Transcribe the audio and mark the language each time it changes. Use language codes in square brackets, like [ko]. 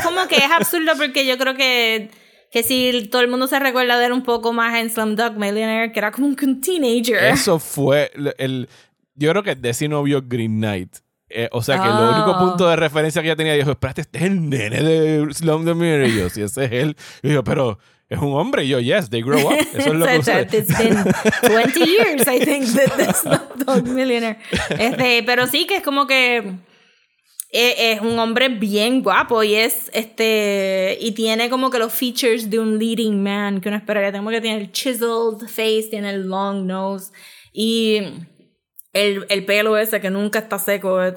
[es] Es como que es absurdo, porque yo creo que si todo el mundo se recuerda de él un poco más en Slumdog Millionaire, que era como un teenager. Eso fue yo creo que Desi no vio Green Knight. Que el único punto de referencia que ella tenía, dijo, espérate, este es el nene de Slumdog Millionaire. Y yo, si ese es él. Y yo, pero... es un hombre. Y yo, [en] yes, they grow up. [es] Eso es lo que usted... [en] It's been 20 years, I think, that this dog millionaire. [es] Pero sí que es como que... Es un hombre bien guapo y es... Y tiene como que los features de un [en] leading man [es] que uno esperaría. Tengo que tener el [en] chiseled face, [es] tiene el [en] long nose. [es] Y el pelo ese que nunca está seco.